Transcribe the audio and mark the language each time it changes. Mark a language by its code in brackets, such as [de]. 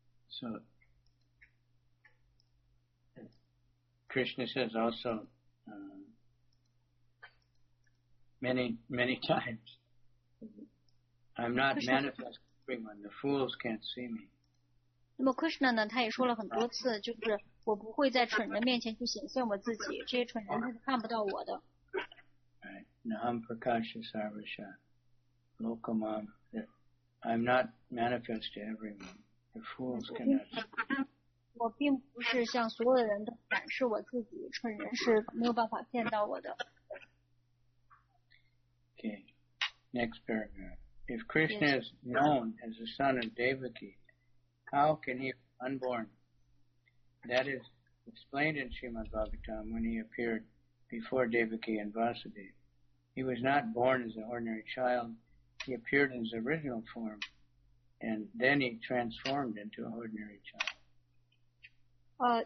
[en] So Krishna says also. Many times, I'm not manifesting when the fools can't see me. [zh] 那么 Krishna 呢？他也说了很多次，就是我不会在蠢人面前去显现我自己，这些蠢人他是看不到我的。 [sa] Right, Naham Prakasha Sarvasha Lokamam. [en] I'm not manifest to everyone. The fools cannot see me. [zh] 我并不是向所有的人都展示我自己，蠢人是没有办法见到我的。 [en] Okay, next paragraph. If Krishna is known as the son of Devaki, how can he be unborn? That is explained in Srimad Bhagavatam when he appeared before Devaki and Vasudeva. He was not born as an ordinary child. He appeared in his original form, and then he transformed into an ordinary child.